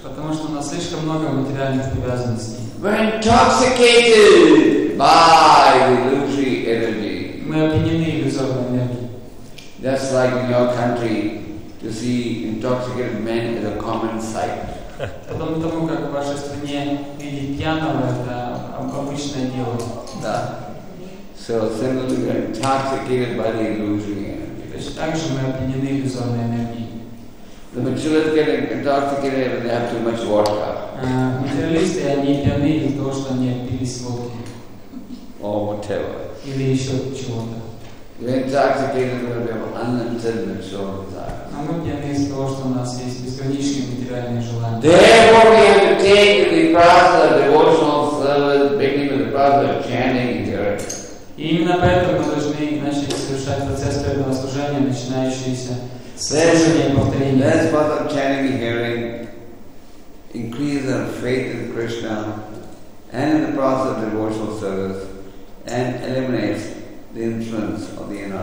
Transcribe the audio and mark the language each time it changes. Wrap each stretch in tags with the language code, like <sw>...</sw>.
<ru>Потому что у нас слишком много материальных привязанностей.</ru> <en>We're intoxicated by illusory energy.</en> <ru>Мы опьянены иллюзорной энергией.</ru> <en>That's like in your country to see intoxicated men is a common sight.</en> <ru>Потому тому, как в вашей стране или пьяного это обычное дело. Да.</ru> <en>So similarly, we're intoxicated by the illusory energy.</en> <ru>Также мы опьянены иллюзорной энергией.</ru> <en>The materialists get intoxicated when they have too much vodka.</en> <ru>Материалисты они пьяны из-за того, что они пили водки.</ru> <en>Or whatever.</en> <ru>Или еще чего-то.</ru> <en>We're intoxicated when we have unlimited material desire.</en> <ru>Но мы пьяны из-за того, что у нас есть бесконечные материальные желания.</ru> <en>Therefore, we have to take the process of devotional service, beginning with the process of chanting and hearing.</en> <ru>И именно поэтому мы должны начать совершать процесс преданного служения, начинающийся.</ru> <en>Let's both of chanting and hearing increase our faith in Krishna and in the process of devotional service and eliminates the influence of the</en>